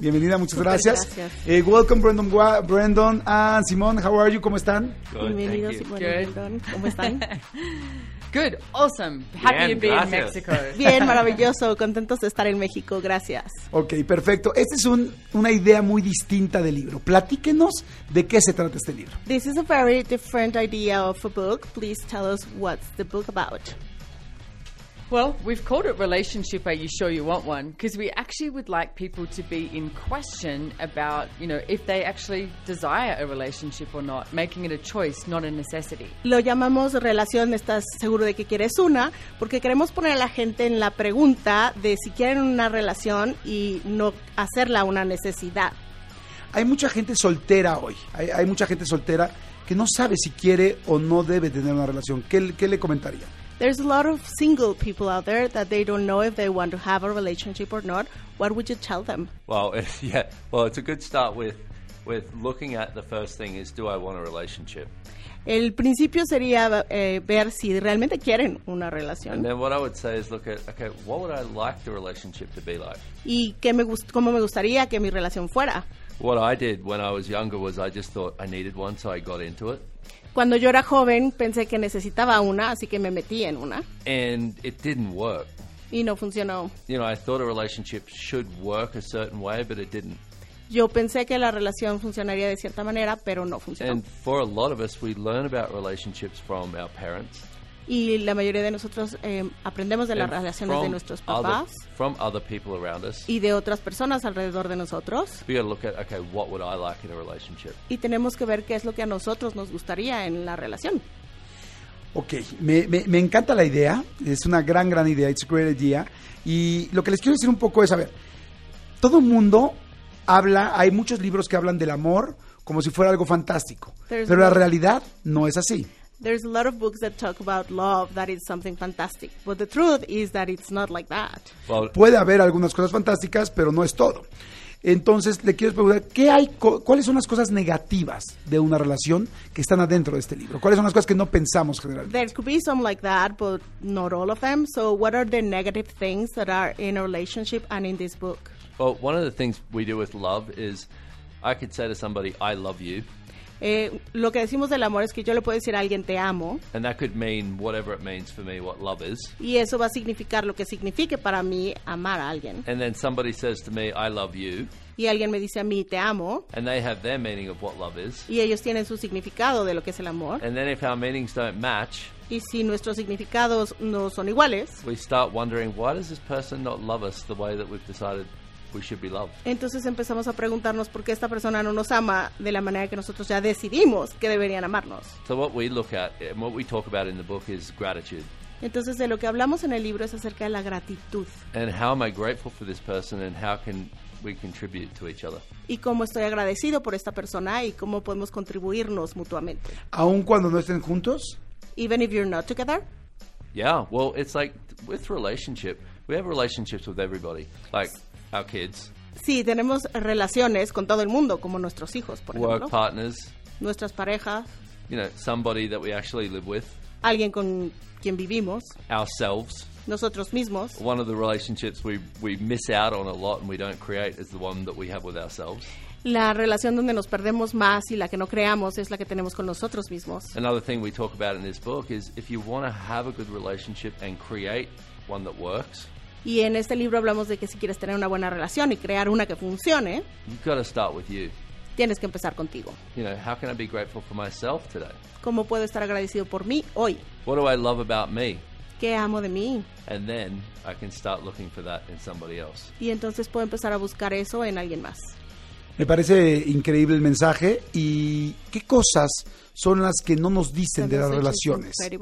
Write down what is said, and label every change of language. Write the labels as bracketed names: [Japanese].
[Spanish] Bienvenida, muchas gracias. [English] Welcome, Brendon Watt, Brendon and Simón, how are you? [Spanish] ¿Cómo están? Bienvenidos, Simón, Brendon. ¿Cómo están? [English] Good, awesome, happy to be in Mexico. [Spanish] Bien, maravilloso, contentos de estar en México, gracias. Ok, perfecto. Esta es una idea muy distinta del libro. Platíquenos de qué se trata este libro. [English] This is a very different idea of a book. Please tell us what's the book about. Well, we've called it Relationship, Are You Sure You Want One? Because we actually would like people to be in question about, you know, if they actually desire a relationship or not, making it a choice, not a necessity. [Spanish] Lo llamamos relación, ¿estás seguro de que quieres una? Porque queremos poner a la gente en la pregunta de si quieren una relación y no hacerla una necesidad. Hay mucha gente soltera hoy, hay mucha gente soltera que no sabe si quiere o no debe tener una relación. ¿Qué le comentaría? [English] There's a lot of single people out there that they don't know if they want to have a relationship or not. What would you tell them? Well, it's a good start with looking at the first thing is, do I want a relationship? [Spanish] El principio sería ver si realmente quieren una relación. [English] And then what I would say is look at, okay, what would I like the relationship to be like? [Spanish] ¿Y cómo me gustaría que mi relación fuera? [English] What I did when I was younger was I just thought I needed one, so I got into it. [Spanish] Cuando yo era joven, pensé que necesitaba una, así que me metí en una. [English] And it didn't work. [Spanish] Y no funcionó. [English] You know, I thought a relationship should work a certain way, but it didn't. [Spanish] Yo pensé que la relación funcionaría de cierta manera, pero no funcionó. [English] And for a lot of us, we learn about relationships from our parents. [Spanish] Y la mayoría de nosotros aprendemos de las relaciones de nuestros papás. [English] From other people around us. [Spanish] Y de otras personas alrededor de nosotros. [English] We gotta look at, okay, what would I like in a relationship? [Spanish] Y tenemos que ver qué es lo que a nosotros nos gustaría en la relación. Okay, me encanta la idea. Es una gran, gran idea. [English] It's a great idea. [Spanish] Y lo que les quiero decir un poco es, a ver, todo el mundo habla, hay muchos libros que hablan del amor como si fuera algo fantástico. Pero la realidad no es así. [English] There's a lot of books that talk about love, that is something fantastic. But the truth is that it's not like that. [Spanish] Well, puede haber algunas cosas fantásticas, pero no es todo. Entonces, le quiero preguntar, ¿cuáles son las cosas negativas de una relación que están adentro de este libro? ¿Cuáles son las cosas que no pensamos generalmente? [English] There could be some like that, but not all of them. So what are the negative things that are in a relationship and in this book? Well, one of the things we do with love is, I could say to somebody, I love you. [Spanish] Lo que decimos del amor es que yo le puedo decir a alguien te amo. [English] And that could mean whatever it means for me, what love is. [Spanish] Y eso va a significar lo que signifique para mí amar a alguien. [English] And then somebody says to me, I love you. [Spanish] Y alguien me dice a mí te amo. [English] And they have their meaning of what love is. [Spanish] Y ellos tienen su significado de lo que es el amor. [English] And then if our meanings don't match. [Spanish] Y si nuestros significados no son iguales. [English] We start wondering, why does this person not love us the way that we've decided we should be loved. [Spanish] Entonces empezamos a preguntarnos por qué esta persona no nos ama de la manera que nosotros ya decidimos que deberían amarnos. [English] So what we look at and what we talk about in the book is gratitude. [Spanish] Entonces de lo que hablamos en el libro es acerca de la gratitud. [English] And how am I grateful for this person and how can we contribute to each other? [Spanish] Y cómo estoy agradecido por esta persona y cómo podemos contribuirnos mutuamente. ¿Aun cuando no estén juntos? [English] Even if you're not together? Yeah, well, it's like with relationship, we have relationships with everybody. Like our kids. [Spanish] Sí, tenemos relaciones con todo el mundo, como nuestros hijos, por [English] work [Spanish] ejemplo. [English] Partners. [Spanish] Nuestras parejas. [English] you know, somebody that we actually live with. [Spanish] Alguien con quien vivimos. [English] Ourselves. [Spanish] Nosotros mismos. [English] One of the relationships we miss out on a lot and we don't create is the one that we have with ourselves. [Spanish] La relación donde nos perdemos más y la que no creamos es la que tenemos con nosotros mismos. [English] Another thing we talk about in this book is if you want to have a good relationship and create one that works. [Spanish] Y en este libro hablamos de que si quieres tener una buena relación y crear una que funcione, [English] you've got to start with you. [Spanish] Tienes que empezar contigo. [English] You know, how can I be grateful for myself today? [Spanish] ¿Cómo puedo estar agradecido por mí hoy? [English] What do I love about me? [Spanish] ¿Qué amo de mí? [English] And then I can start looking for that in somebody else. [Spanish] Y entonces puedo empezar a buscar eso en alguien más. Me parece increíble el mensaje. ¿Y qué cosas son las que no nos dicen de las relaciones?